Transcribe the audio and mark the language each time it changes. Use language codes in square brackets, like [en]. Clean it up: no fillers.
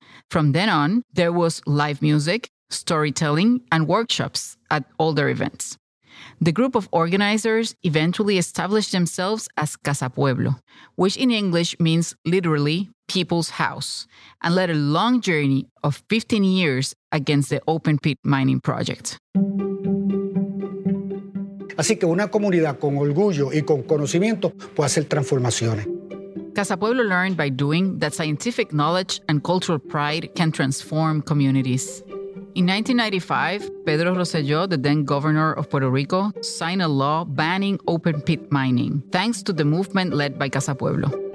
[en] From then on, there was live music, storytelling, and workshops at all their events. The group of organizers eventually established themselves as Casa Pueblo, which in English means literally people's house, and led a long journey of 15 years against the open pit mining project. [es] Así que una comunidad con orgullo y con conocimiento puede hacer transformaciones. [en] Casa Pueblo learned by doing that scientific knowledge and cultural pride can transform communities. In 1995, Pedro Rosselló, the then governor of Puerto Rico, signed a law banning open pit mining, thanks to the movement led by Casa Pueblo.